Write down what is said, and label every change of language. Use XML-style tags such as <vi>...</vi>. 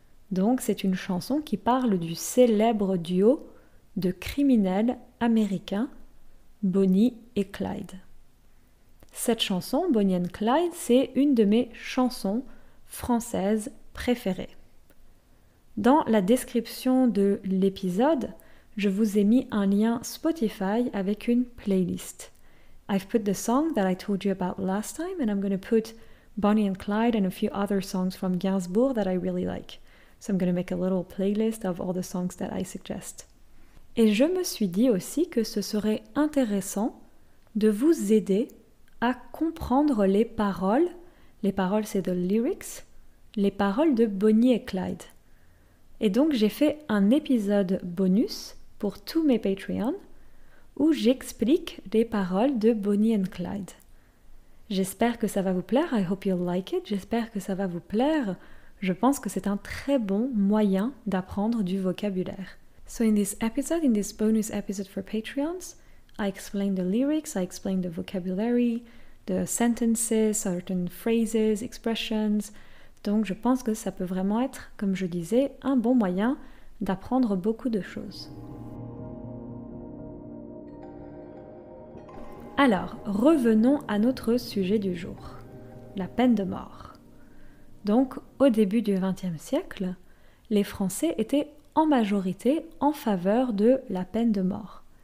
<fr>Donc c'est une chanson qui parle du célèbre duo de criminels américains Bonnie et Clyde. Cette chanson, Bonnie and Clyde, c'est une de mes chansons françaises préférées. Dans la description de l'épisode, je vous ai mis un lien Spotify avec une playlist.</fr> <en>I've put the song that I told you about last time and I'm going to put Bonnie and Clyde and a few other songs from Gainsbourg that I really like. So I'm going to make a little playlist of all the songs that I suggest.</en> <fr>Et je me suis dit aussi que ce serait intéressant de vous aider à comprendre les paroles. Les paroles, c'est</fr> <en>the lyrics.</en> <fr>Les paroles de Bonnie et Clyde. Et donc, j'ai fait un épisode bonus pour tous mes Patreons où j'explique les paroles de Bonnie and Clyde. J'espère que ça va vous plaire.</fr> <en>I hope you'll like it.</en> <fr>J'espère que ça va vous plaire. Je pense que c'est un très bon moyen d'apprendre du vocabulaire.</fr> <en>So in this episode, in this bonus episode for Patreons, I explain the lyrics, I explain the vocabulary, the sentences, certain phrases, expressions.</en> <fr>Donc je pense que ça peut vraiment être, comme je disais, un bon moyen d'apprendre beaucoup de choses. Alors, revenons à notre sujet du jour, la peine de mort. Donc, au début du XXe siècle, les Français étaient en majorité en faveur de la peine de mort.</fr>